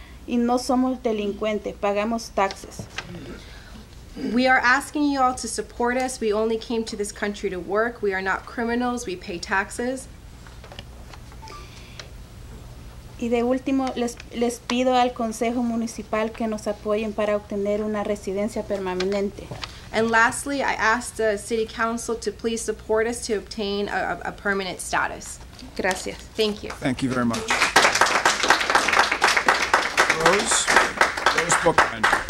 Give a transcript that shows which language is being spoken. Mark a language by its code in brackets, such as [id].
[es] Y no somos delincuentes, pagamos taxes. [en] We are asking you all to support us. We only came to this country to work. We are not criminals, we pay taxes. [es] Y de último, les pido al Consejo Municipal que nos apoyen para obtener una residencia permanente. [en] And lastly, I ask the City Council to please support us to obtain a permanent status. [es] Gracias. [en] Thank you. Thank you very much. Rose Bookman.